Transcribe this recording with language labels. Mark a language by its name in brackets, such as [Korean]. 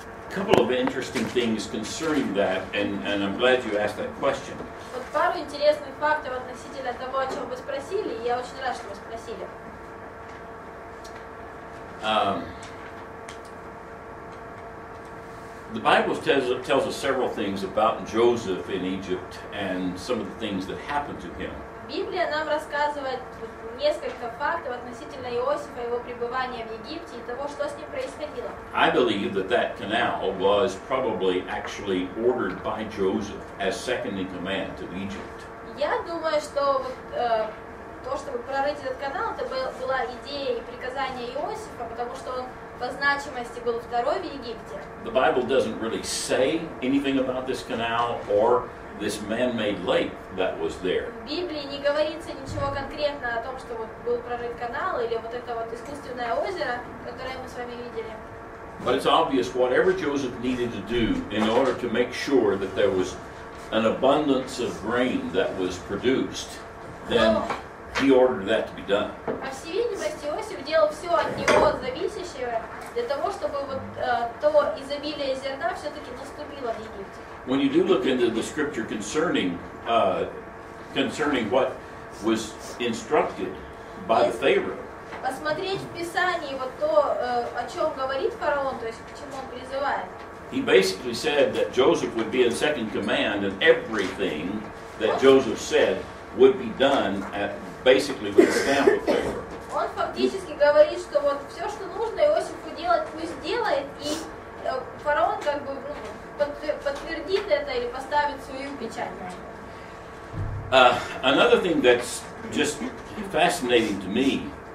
[English] couple of interesting things concerning that, and I'm glad you asked that question. [Russian] Пару интересных фактов относительно того, о чем вы спросили, и я очень рад, что вы спросили. [English] The Bible tells us several things about Joseph in Egypt and some of the things that happened to him. [Russian] Библия нам рассказывает несколько фактов относительно Иосифа, его пребывания в Египте и того, что с ним происходило. [English] I believe that that canal was probably actually ordered by Joseph as second in command to Egypt. [Russian] Я думаю, что то, чтобы прорыть этот канал, это была идея и приказание Иосифа, потому что он по значимости был второй в Египте. [English] The Bible doesn't really say anything about this canal or this man-made lake that was there. [Russian] В Библии не говорится ничего конкретно о том, что вот был прорыт канал или вот это вот искусственное озеро, которое мы с вами видели. [English] But it's obvious whatever Joseph needed to do in order to make sure that there was an abundance of grain that was produced, then he ordered that to be done. [Russian] По всей видимости, Иосиф делал все от него зависящее для того, чтобы вот то изобилие зерна все-таки наступило в Египте. [English] When you do look into the scripture concerning what was instructed by the Pharaoh. [Russian] Посмотреть в Писании вот то, о чем говорит фараон, то есть к чему он призывает. [English] He basically said that Joseph would be in second command and everything that Joseph said would be done at basically with the stamp of Pharaoh. [Russian] Он фактически говорит, что вот все, что нужно Иосифу делать, пусть делает, и фараон как бы подтвердит это или поставит свою печать. [English] Another thing that's just fascinating to me.